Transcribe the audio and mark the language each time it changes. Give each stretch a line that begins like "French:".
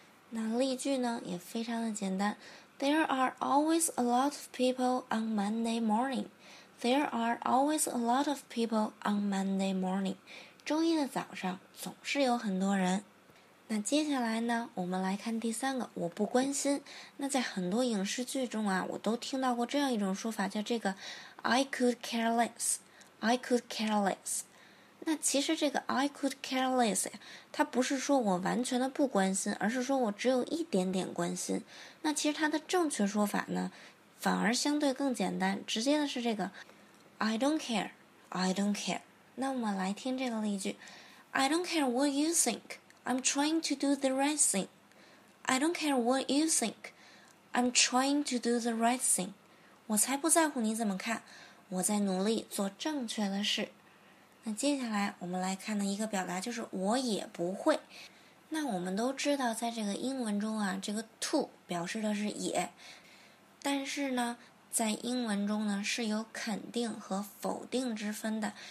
Chinese: 那例句呢也非常的简单，
English: There are always a lot of people on Monday morning, There are always a lot of people on Monday morning。
Chinese: 周一的早上总是有很多人。那接下来呢，我们来看第三个，我不关心。那在很多影视剧中啊，我都听到过这样一种说法，叫这个
English: I could care lessI could care less。
Chinese: 那其实这个
English: I could care less
Chinese: 呀，它不是说我完全的不关心，而是说我只有一点点关心。那其实它的正确说法呢反而相对更简单，直接的是这个
English: I don't care, I don't care。
Chinese: 那我们来听这个例句，
English: I don't care what you think, I'm trying to do the right thing, I don't care what you think, I'm trying to do the right thing。
Chinese: 我才不在乎你怎么看，我在努力做正确的事。那接下来我们来看的一个表达就是我也不会。那我们都知道在这个英文中啊，这个 to 表示的是也，但是呢在英文中呢是有肯定和否定之分的。